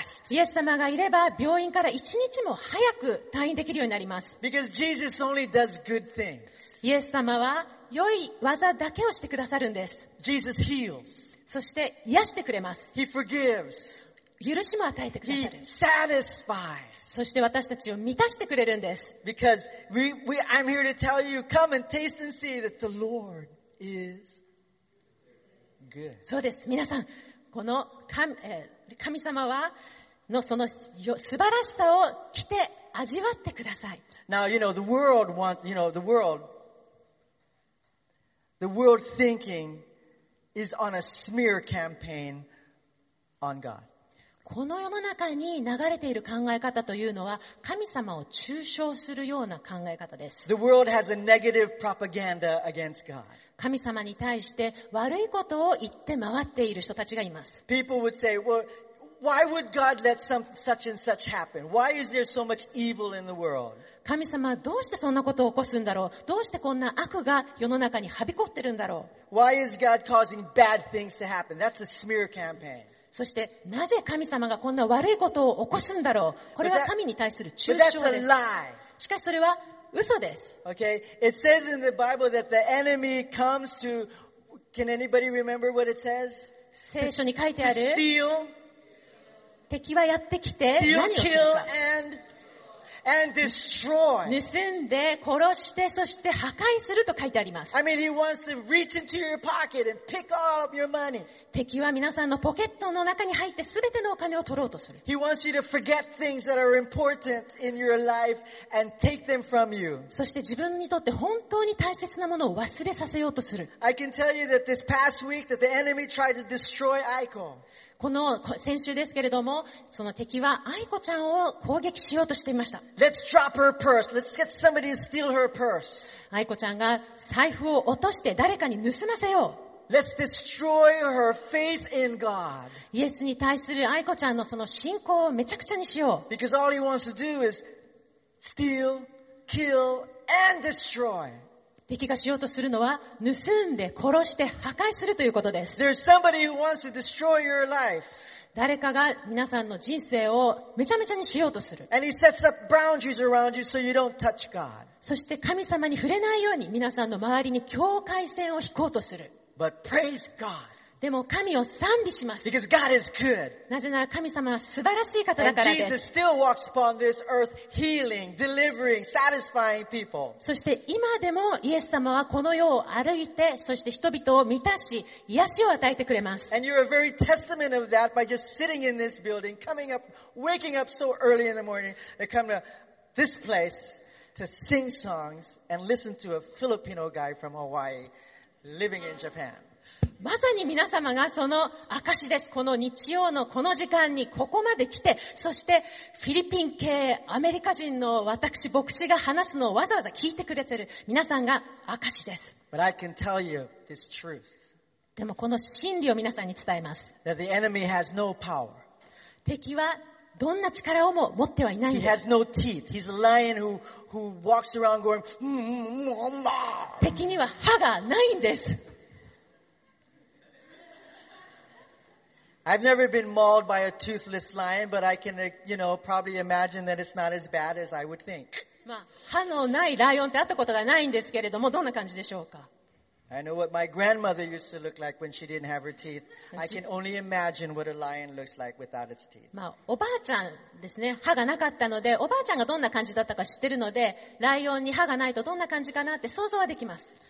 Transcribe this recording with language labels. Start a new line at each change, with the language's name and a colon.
Japanese: イエス様がいれば病院から一日も早く退院できるようになります。
English: Because Jesus only does good things.
Japanese: イエス様は良い技だけをしてくださるんです。
English: Jesus heals.
Japanese: そして癒してくれます。
English: He forgives.
Japanese: 許しも与えてくださる。
English: He satisfies.
Japanese: そして私たちを満たしてくれるんです。
English: Because I'm here to tell you, come and taste and see that the Lord is good.
Japanese: そうです。皆さん。この神様はのその素晴らしさを来て味わってください。
English: Now, you know, the world wants, you know, the world thinking is on a smear campaign on God.
Japanese: この世の中に流れている考え方というのは神様を中傷するような考え方です。
English: The world has a negative propaganda against God.
Japanese: 神様に対して悪いことを言って回っている人たちがいます。
English: People would say, well, why would God let such and such happen? Why is there so much evil in the world?
Japanese: 神様はどうしてそんなことを起こすんだろう？どうしてこんな悪が世の中にはびこってるんだろう？
English: Why is God causing bad things to happen? That's a smear campaign.
Japanese: そしてなぜ神様がこんな悪いことを起こすんだろう？これは神に対する中傷です。
English: But that's a lie.
Japanese: しかしそれは嘘です。
English: Okay. It says in the Bible that the enemy comes to. Can anybody remember what it says?
Japanese: 聖書に書いてある。
English: To steal.
Japanese: 敵はやってきて何をするか。
English: Kill and destroy.
Japanese: 盗んで殺してそして破壊すると書いてあります。
English: I mean, he wants to reach into your pocket and pick all of your money.
Japanese: 敵は皆さんのポケットの中に入って全てのお金を取ろうとする。
English: He wants you to forget things that are important in your life and take them from you.
Japanese: そして自分にとって本当に大切なものを忘れさせようとする。
English: I can tell you that this past week that the enemy tried to destroy Aiko.
Japanese: この先週ですけれども、その敵は愛子ちゃんを攻撃しようとしていました。
English: Let's drop her purse. Let's get somebody to steal her purse.
Japanese: 愛子ちゃんが財布を落として誰かに盗ませよう。
English: Let's destroy her faith in God.
Japanese: イエスに対する愛子ちゃんのその信仰をめちゃくちゃにしよう。
English: Because all he wants to do is steal, kill, and destroy.
Japanese: 敵がしようとするのは盗んで殺して破壊するということです。
English: There's somebody who wants to destroy your life.
Japanese: 誰かが皆さんの人生をめちゃめちゃにしようとする。
English: And he sets up boundaries around you so you don't touch God.
Japanese: そして神様に触れないように皆さんの周りに境界線を引こうとする。
English: But praise God.
Japanese: でも神を賛美します。
English: Because God is good.
Japanese: なぜなら神様は素晴らしい方だからです。
English: And Jesus still walks upon this earth healing, delivering, satisfying people.
Japanese: そして今でもイエス様はこの世を歩いて、そして人々を満たし、癒しを与えてくれます。
English: And you're a very testament of that by just sitting in this building, coming up, waking up so early in the morning, to come to this place to sing songs and listen to a Filipino guy from Hawaii living in Japan.
Japanese: まさに皆様がその証です。この日曜のこの時間にここまで来て、そしてフィリピン系アメリカ人の私、牧師が話すのをわざわざ聞いてくれてる皆さんが証です。
English: But I can tell you this truth.
Japanese: でもこの真理を皆さんに伝えます。
English: That the enemy has no power.
Japanese: 敵はどんな力をも持ってはいないんです。
English: He has no teeth. He's a lion who walks around going, mmm,
Japanese: 敵には歯がないんです。
English: I've never been mauled by a toothless lion, but I can, you know, probably imagine that it's not as bad as I would think.
Japanese: まあ、歯のないライオンって会ったことがないんですけれども、どんな感じでしょうか?
English: I know what my grandmother used to look like when she didn't have her teeth. I can only imagine what a lion looks like without its teeth.
Japanese: まあ、おばあちゃんですね、歯がなかったので、おばあちゃんがどんな感じだったか知ってるので、ライオンに歯がないとどんな感じかなって想像はできます。